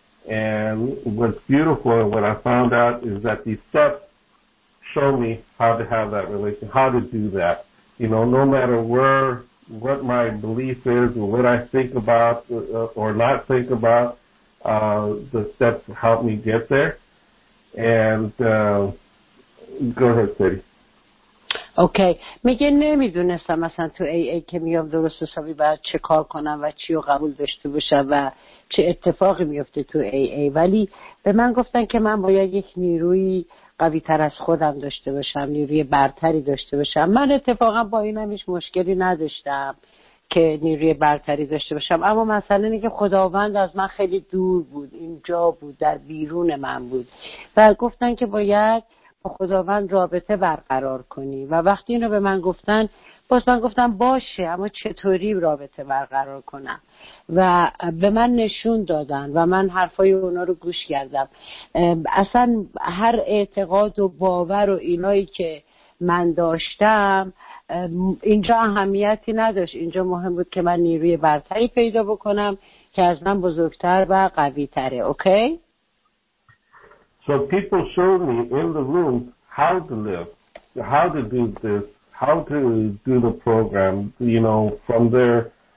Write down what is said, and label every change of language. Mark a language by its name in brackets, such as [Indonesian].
[English] And what's beautiful and what I found out is that these steps show me how to have that relationship, how to do that. No matter what my belief is or what I think about or not think about, the steps help me get there. And go ahead, Sadie. [Persian] اوکی میگه نمیدونستم مثلا تو ای ای که میام درست حسابی باید چه کار کنم و چی رو قبول داشته باشم و چه اتفاقی میفته تو ای ای، ولی به من گفتن که من باید یک نیروی قوی تر از خودم داشته باشم، نیروی برتری داشته باشم. من اتفاقا با اینم هیچ مشکلی نداشتم که نیروی برتری داشته باشم، اما مسئله اینه که خداوند از من خیلی دور بود، اینجا بود، در بیرون من بود، و گفتن که باید با خداوند رابطه برقرار کنی. و وقتی اینو به من گفتن، باز من گفتم باشه، اما چطوری رابطه برقرار کنم؟ و به من نشون دادن و من حرفای اونا رو گوش کردم. اصلا هر اعتقاد و باور و اینایی که من داشتم اینجا اهمیتی نداشت، اینجا مهم بود که من نیروی برتری پیدا بکنم که از من بزرگتر و قوی تره. اوکی؟ [English] So people showed me in the room how to live, how to do this, how to do the program, you know, from there.